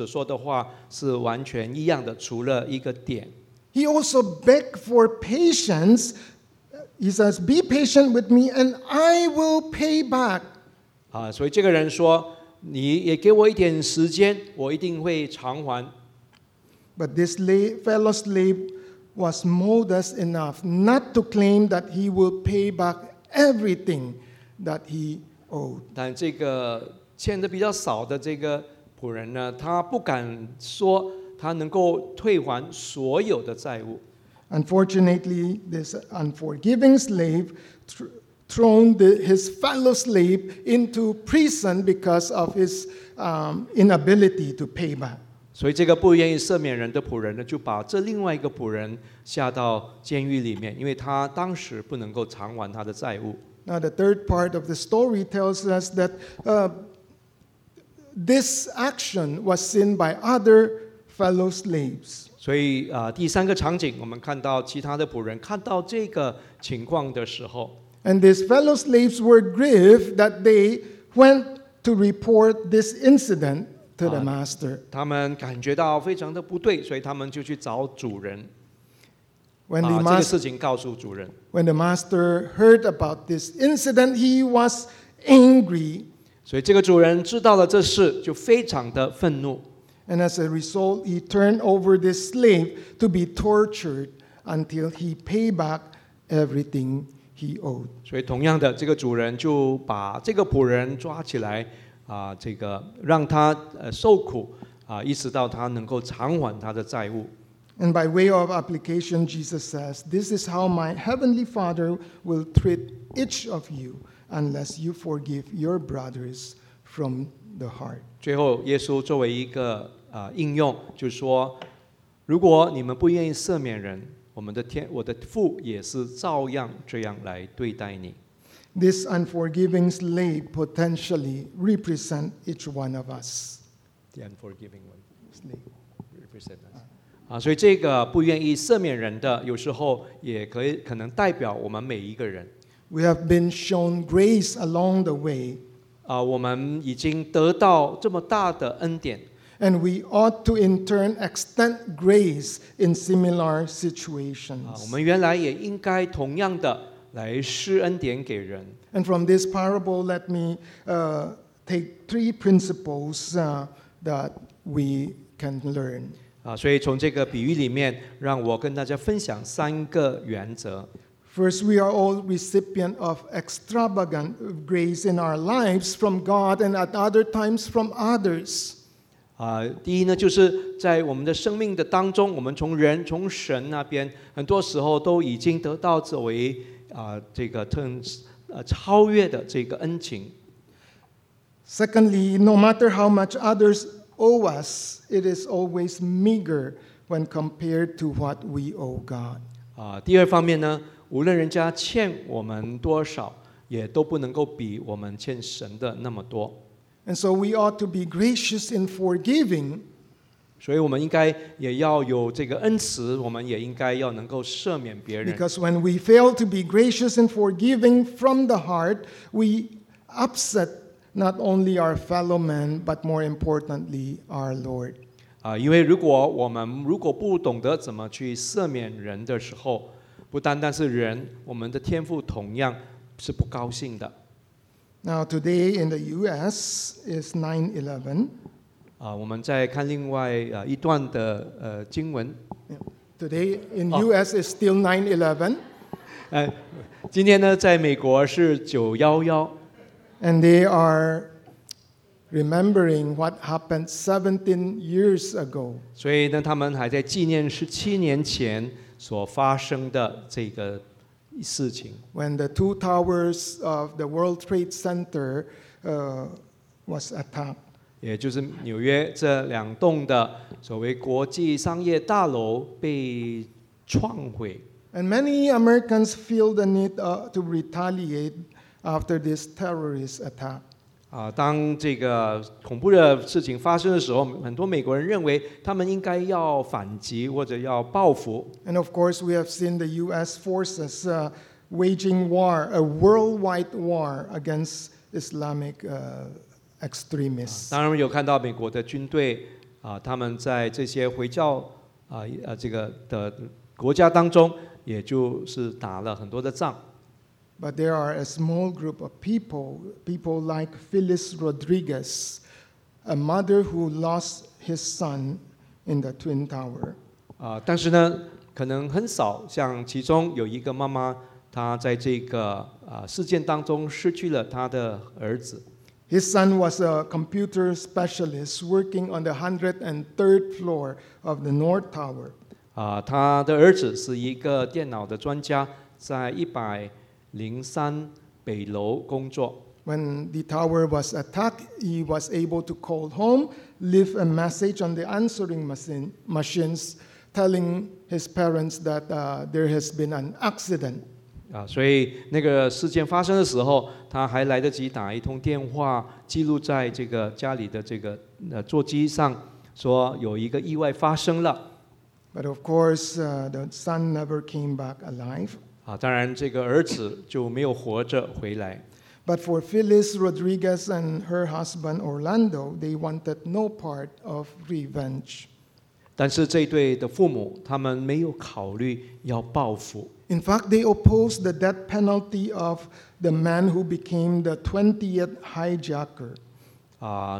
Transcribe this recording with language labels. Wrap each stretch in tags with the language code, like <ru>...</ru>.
<zh>这个人呢的祈求的话，跟这个不愿意赦免人的这个仆人当时所说的话是完全一样的，除了一个点。</zh> <en>He also begged for patience. He says, be patient with me and I will pay back.</en> <zh>所以这个人说,你也给我一点时间,我一定会偿还。</zh> <en>But this fellow slave was modest enough not to claim that he will pay back everything that he owed.</en> <zh>但这个欠的比较少的这个仆人呢, 他不敢说, 他能够退还所有的债务。</zh> <en>Unfortunately, this unforgiving slave thrown his fellow slave into prison because of his inability to pay back.</en> <zh>所以这个不愿意赦免人的仆人呢, 就把这另外一个仆人下到监狱里面, 因为他当时不能够偿还他的债务。</zh> <en>Now the third part of the story tells us that this action was seen by other fellow slaves.</en> <zh>所以, 第三个场景, 我们看到其他的仆人看到这个情况的时候,</zh> <en>and these fellow slaves were grieved that they went to report this incident to the master.</en> <zh>他们感觉到非常的不对, 所以他们就去找主人,</zh> <en>when the master heard about this incident, he was angry.</en> <zh>所以这个主人知道了这事, 就非常的愤怒。</zh> <en>And as a result, he turned over this slave to be tortured until he paid back everything he owed.</en> <zh>所以同样的, 这个主人就把这个仆人抓起来, 这个让他, 受苦, 意识到他能够偿还他的债务。</zh> <en>And by way of application, Jesus says, this is how my heavenly Father will treat each of you unless you forgive your brothers from the heart.</en> <zh>最后耶稣作为一个 应用就是说，如果你们不愿意赦免人，我的父也是照样这样来对待你。</zh> <en>This unforgiving slave potentially represent each one of us. The unforgiving one slave represent us.</en> <zh>所以这个不愿意赦免人的，有时候也可能代表我们每一个人。</zh> <en>We have been shown grace along the way.</en> <zh>我们已经得到这么大的恩典。</zh> <en>And we ought to in turn extend grace in similar situations.</en> <zh>我们原来也应该同样的来施恩典给人。</zh> <en>And from this parable, let me take three principles that we can learn.</en> <zh>所以从这个比喻里面，让我跟大家分享三个原则。</zh> <en>First, we are all recipient of extravagant grace in our lives from God and at other times from others.</en> <zh>第一呢，就是在我们的生命的当中，我们从人、从神那边，很多时候都已经得到作为这个超越的这个恩情。</zh> <en>Secondly, no matter how much others owe us, it is always meager when compared to what we owe God.</en> <zh>第二方面呢，无论人家欠我们多少，也都不能够比我们欠神的那么多。</zh> <en>And so we ought to be gracious in forgiving.</en> <zh>所以我们应该也要有这个恩慈，我们也应该要能够赦免别人。</zh> <en>Because when we fail to be gracious in forgiving from the heart, we upset not only our fellow men, but more importantly, our Lord.</en> <zh>因为如果不懂得怎么去赦免人的时候，不单单是人，我们的天父同样是不高兴的。</zh> <en>Now today in the U.S. is 9/11.</en> <zh>我们再看另外一段的经文。</zh> <en>Today in U.S. is still 9/11.</en> <zh>今天呢，在美国是9/11。</zh> <en>And they are remembering what happened 17 years ago.</en> <zh>所以呢，他们还在纪念17年前所发生的这个事情。</zh> <en>When the two towers of the World Trade Center was attacked.</en> <zh>也就是纽约这两栋的所谓国际商业大楼被撞毁。</zh> <en>And many Americans feel the need to retaliate after this terrorist attack.</en> <zh>当这个恐怖的事情发生的时候，很多美国人认为他们应该要反击或者要报复。</zh> <en>And of course, we have seen the U.S. forces waging war, a worldwide war against Islamic extremists.</en> <zh>当然有看到美国的军队他们在这些回教这个的国家当中，也就是打了很多的仗。</zh> <en>But there are a small group of people like Phyllis Rodriguez, a mother who lost his son in the Twin Tower.</en> <zh>但是呢，可能很少，像其中有一个妈妈，她在这个事件当中失去了她的儿子。</zh> <en>His son was a computer specialist working on the 103rd floor of the North Tower.</en> <zh>他的儿子是一个电脑的专家，在103北楼工作。</zh> <en>When the tower was attacked, he was able to call home, leave a message on the answering machines, telling his parents that there has been an accident.</en> <zh>所以那个事件发生的时候，他还来得及打一通电话，记录在这个家里的这个座机上，说有一个意外发生了。</zh> <en>But of course, the son never came back alive.</en> <zh>当然这个儿子就没有活着回来。</zh> <en>But for Phyllis Rodriguez and her husband Orlando, they wanted no part of revenge.</en> <zh>但是这对的父母，他们没有考虑要报复。</zh> <en>In fact, they opposed the death penalty of the man who became the 20th hijacker.</en>